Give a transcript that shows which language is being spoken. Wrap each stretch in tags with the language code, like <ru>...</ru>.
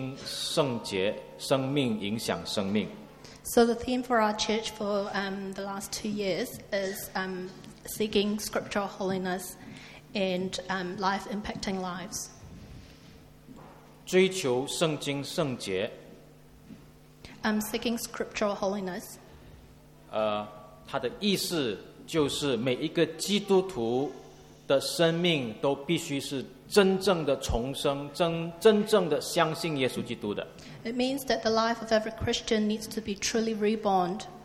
<zh>我们教会的两年的主题是追求圣经圣洁生命影响生命。</zh> <en>So the theme for our church for the last 2 years is seeking scriptural holiness and life impacting lives.</en> <zh>追求圣经圣洁,</zh> <en>seeking scriptural holiness.</en> <zh>它的意思就是每一个基督徒的生命都必须是真正的重生，真正的相信耶稣基督的。</zh> <en>It means that the life of every Christian needs to be truly reborn.</en>